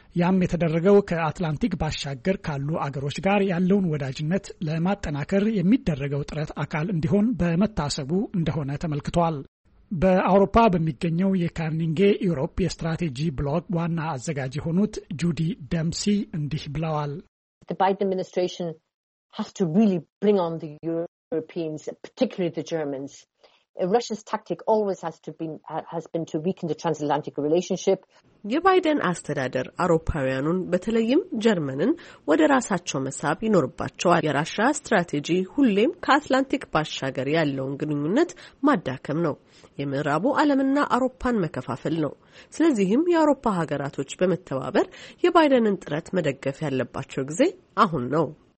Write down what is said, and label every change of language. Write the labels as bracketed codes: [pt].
[am] ያም የተደረገው ከአትላንቲክ ባሻገር ካሉ አገሮች ጋር ያለውን ወዳጅነት ለማጠናከር የሚደረገው ጥረት አካል እንዲሆን በመታሰቡ እንደሆነ ተመልክቷል። በአውሮፓ በሚገኘው የካርኒንጌ ዩሮፕ የስትራቴጂ ብሎግ ዋና አዘጋጅ የሆኑት ጁዲ ደምሲ እንዲህ ብለዋል። [en] The Biden administration has to really bring on the Europeans, particularly the Germans. Russia's tactic always has been to weaken the transatlantic relationship. [am] የባይደን አስተዳደር አውሮፓውያኑን በተለይም ጀርመንን ወደ ራሳቸው መሳብ ይኖርባቸዋል። የራሻ ስትራቴጂ ሁሌም ከአትላንቲክ ባሻገር ያለውን ግንኙነት ማዳከም ነው። የምዕራቡ ዓለምና አውሮፓን መከፋፈል ነው። ስለዚህም የአውሮፓ ሀገራቶች በመተባበር የባይደንን ጥረት መደገፍ ያለባቸው ጊዜ አሁን ነው።